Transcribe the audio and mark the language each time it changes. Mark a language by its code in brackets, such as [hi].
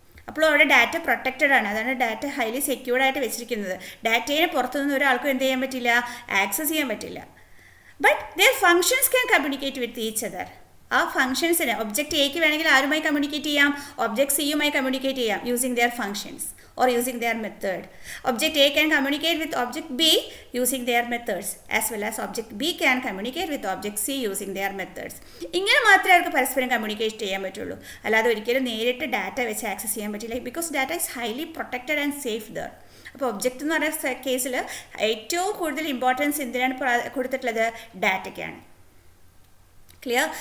[ml] അപ്പോൾ അവിടെ data protected ആണ്, അതാണ് ഡാറ്റ ഹൈലി സെക്യൂർഡ് ആയിട്ട് വെച്ചിരിക്കുന്നത്. ഡാറ്റേനെ പുറത്തുനിന്ന് ഒരാൾക്കും എന്ത് ചെയ്യാൻ പറ്റില്ല, ആക്സസ് ചെയ്യാൻ പറ്റില്ല. [en] But their functions can communicate with each other. [ml] ആ ഫംഗ്ഷൻസിന് ഒബ്ജക്റ്റ് എയ്ക്ക് വേണമെങ്കിൽ ആരുമായി കമ്മ്യൂണിക്കേറ്റ് ചെയ്യാം, ഒബ്ജക്റ്റ് സിയുമായി കമ്മ്യൂണിക്കേറ്റ് ചെയ്യാം [en] Using their functions or using their method. Object A can communicate with object B using their methods as well as object B can communicate with object C using their methods. [ml] ഇങ്ങനെ മാത്രമേ അവർക്ക് പരസ്പരം communicate ചെയ്യാൻ പറ്റുള്ളൂ, അല്ലാതെ ഒരിക്കലും നേരിട്ട് data വെച്ച് ആക്സസ് ചെയ്യാൻ പറ്റില്ല. [en] Because data is highly protected and safe there. [ml] അപ്പോൾ ഒബ്ജക്റ്റ് എന്ന് പറയുന്ന കേസിൽ ഏറ്റവും കൂടുതൽ ഇമ്പോർട്ടൻസ് എന്തിനാണ് കൊടുത്തിട്ടുള്ളത്, ഡാറ്റയ്ക്കാണ്. ക്ലിയർ?